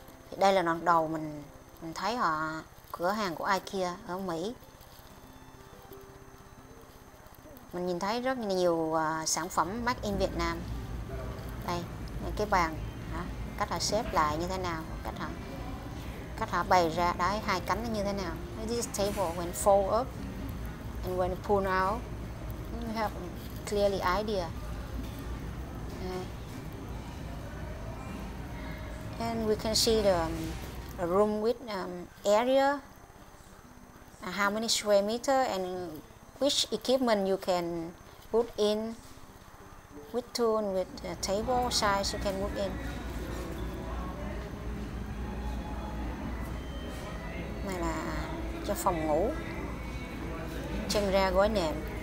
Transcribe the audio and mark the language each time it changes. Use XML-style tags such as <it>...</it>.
<vi>Thì đây là lần đầu mình thấy họ cửa hàng của IKEA ở Mỹ. Mình nhìn thấy rất nhiều sản phẩm made in Việt Nam. Đây, cái bàn, cách họ xếp lại như thế nào, cách họ bày ra, đấy, hai cánh như thế nào.</vi> <en>This table, when fold up and when pull out, you have clearly idea. And we can see the room with area, how many square meter, and which equipment you can put in, with tool, with table size you can put in.</en> <vi>Này là cho phòng ngủ, chân ra gói nệm.</vi>